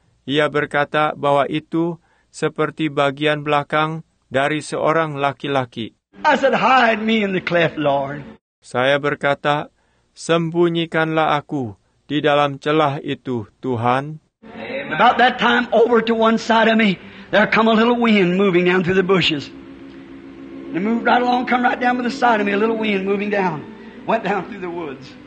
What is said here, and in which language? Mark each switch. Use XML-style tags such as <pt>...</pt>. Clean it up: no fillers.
<id>Ia berkata bahwa itu seperti bagian belakang dari seorang laki-laki.</id> <en>I said, hide me in the cleft, Lord.</en> <id>Saya berkata, sembunyikanlah aku di dalam celah itu, Tuhan.</id> <en>About that time, over to one side of me, there come a little wind moving down through the bushes. It moved right along, come right down to the side of me, a little wind moving down, went down through the woods.</en>